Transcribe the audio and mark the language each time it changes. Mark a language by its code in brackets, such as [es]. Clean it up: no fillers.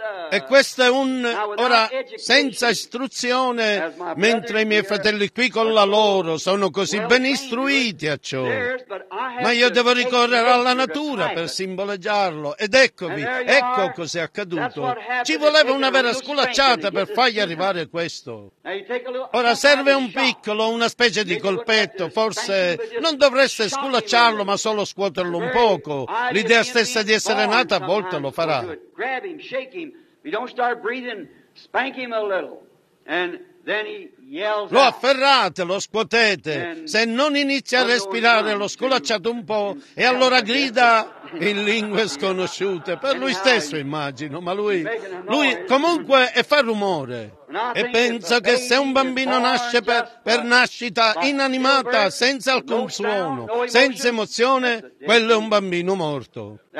[it] E questo è un, ora, senza istruzione, mentre i miei fratelli qui con la loro sono così ben istruiti a ciò, ma io devo ricorrere alla natura per simboleggiarlo, ed eccovi, ecco cos'è accaduto, ci voleva una vera sculacciata per fargli arrivare questo. Ora serve un piccolo, una specie di colpetto, forse non dovreste sculacciarlo ma solo scuoterlo un poco, l'idea stessa di essere nata a volte lo farà. [en] Grab him, shake him. If you don't start breathing, spank him a little. And then he yells. [it] Lo afferrate, lo scuotete. Se non inizia a respirare, lo sculacciate un po', e allora grida in lingue sconosciute. Per lui stesso, immagino, ma lui comunque fa rumore. e penso che se un bambino nasce per nascita inanimata, senza alcun suono, senza emozione, quello è un bambino morto.